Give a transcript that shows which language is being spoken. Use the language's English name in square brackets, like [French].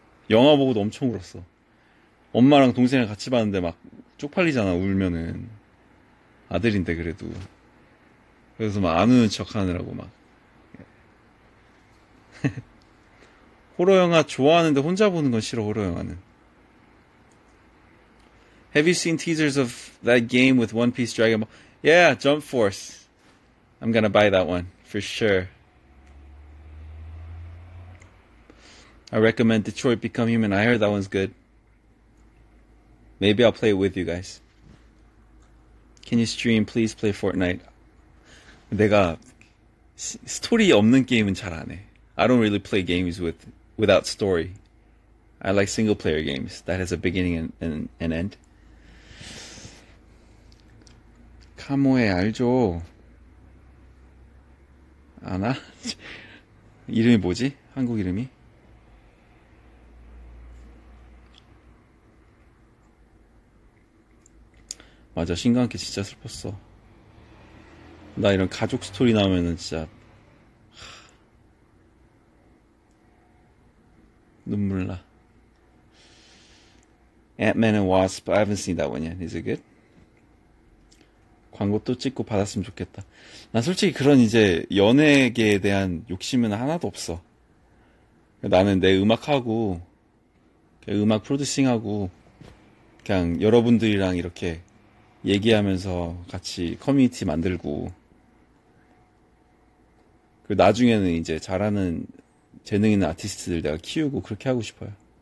[Korean] 영화 보고도 엄청 울었어. 엄마랑 동생이랑 같이 봤는데 막 쪽팔리잖아, 울면은. 아들인데 그래도. 그래서 막안 우는 척 하느라고 막. 호러 영화 좋아하는데 혼자 보는 건 싫어, 호러 영화는. [English] Have you seen teasers of that game with One Piece Dragon Ball? Yeah, Jump Force. I'm gonna buy that one for sure. I recommend Detroit Become Human. I heard that one's good. Maybe I'll play it with you guys. Can you stream? Please play Fortnite. [Korean] 내가 스토리 없는 게임은 잘안 해. [English] I don't really play games without story. I like single player games that has a beginning and an end. [Korean] 카모에 알죠? 아나? 이름이 뭐지? 한국 이름이? 맞아, 신간께 진짜 슬펐어. 나 이런 가족 스토리 나오면은 진짜 눈물 나. [English] Ant-Man and Wasp, I haven't seen that one yet. Is it good? [Korean] 광고 또 찍고 받았으면 좋겠다. 난 솔직히 그런 이제 연예계에 대한 욕심은 하나도 없어. 나는 내 음악하고, 음악 프로듀싱하고, 그냥 여러분들이랑 이렇게 얘기하면서 같이 커뮤니티 만들고, 그리고 나중에는 이제 잘하는 재능 있는 아티스트들 내가 키우고 그렇게 하고 싶어요.